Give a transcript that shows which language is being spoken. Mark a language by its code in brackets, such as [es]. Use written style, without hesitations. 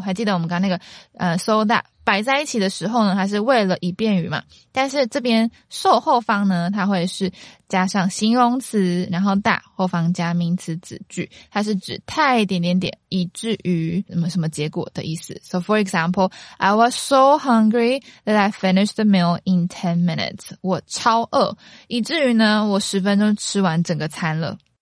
[zh] 还记得我们刚那个so that 摆在一起的时候呢，它是为了以便于嘛，但是这边 so 后方呢，它会是加上形容词，然后 that 后方加名词子句，它是指太点点点以至于什么什么结果的意思。 [en] So for example, I was so hungry that I finished the meal in 10 minutes. [zh] 我超饿，以至于呢，我十分钟吃完整个餐了。